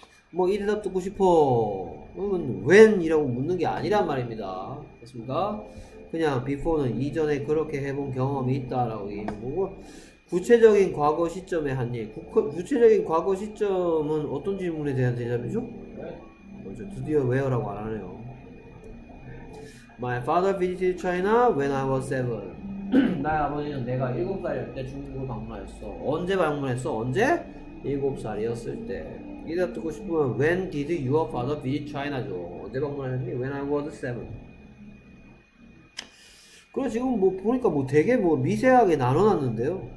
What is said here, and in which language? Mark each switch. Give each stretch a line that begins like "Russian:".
Korean: 뭐, 이 대답 듣고 싶어. 그러면, when이라고 묻는 게 아니란 말입니다. 됐습니까? 그냥, before는 이전에 그렇게 해본 경험이 있다라고 얘기하는 거고, 구체적인 과거 시점에 한 일. 구체적인 과거 시점은 어떤 질문에 대한 대답이죠? 그렇죠. 드디어 where라고 안 하네요.
English: My father visited China when I was seven.
Korean: 나의 아버지는 내가 7살일 때 중국을 방문하였어. 언제 방문했어? 언제? 7살이었을 때. 이 대답 듣고 싶으면
English: When did your father visit China
Korean: 죠? 언제 방문하셨니?
English: When I was seven.
Korean: 그래 지금 뭐 보니까 뭐 되게 뭐 미세하게 나눠놨는데요.